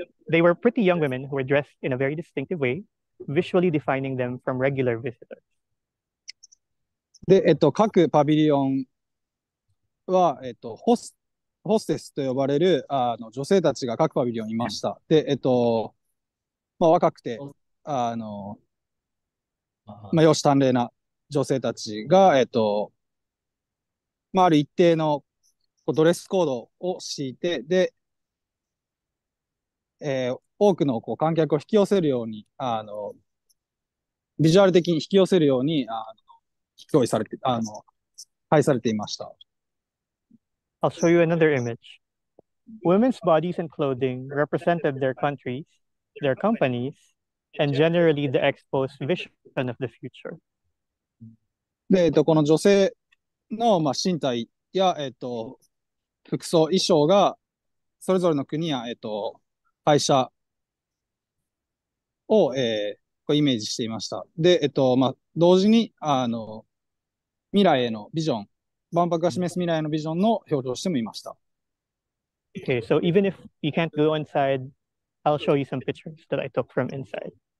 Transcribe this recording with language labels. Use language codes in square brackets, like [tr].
[en] They were pretty young women who were dressed in a very distinctive way, visually defining them from regular visitors. [ja] で、各パビリオンは、ホステスと呼ばれる女性たちが各パビリオンにいました。で、まあ、若くて、まあ、容姿端麗な女性たちが、まあ、ある一定のドレスコードを敷いて、で、多くのこう観客を引き寄せるように、ビジュアル的に引き寄せるように、引き寄せされて、配されていました。 [en] I'll show you another image. Women's bodies and clothing represented their countries, their companies, and generally the expo's vision of the future. [ja] で、この女性の、まあ、身体や、服装、衣装がそれぞれの国や、会社を、こうイメージしていました。で、まあ、同時に未来へのビジョン、万博が示す未来のビジョンの表情をしてもいました。 [en] Okay, so even if you can't go inside, I'll show you some pictures that I took from inside.